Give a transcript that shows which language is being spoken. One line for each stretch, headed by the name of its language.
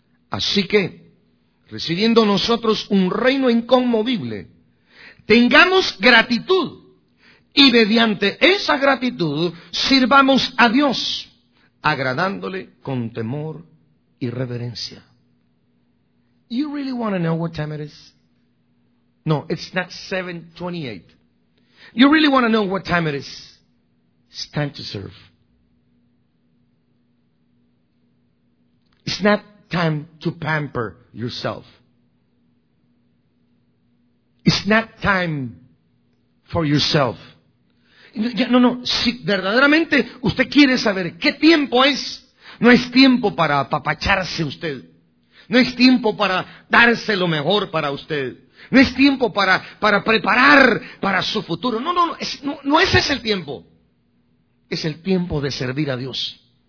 Spanish: Así que, recibiendo nosotros un reino inconmovible, tengamos gratitud, y mediante esa gratitud sirvamos a Dios, agradándole con temor y reverencia.
English: You really want to know what time it is? No, it's not 7:28. You really want to know what time it is? It's time to serve. It's not time to pamper yourself. It's not time for yourself.
Spanish: No, no, si verdaderamente usted quiere saber qué tiempo es, no es tiempo para apapacharse usted. No es tiempo para darse lo mejor para usted. No es tiempo para preparar para su futuro. No, no, no, no ese es el tiempo. Es el tiempo de servir a Dios.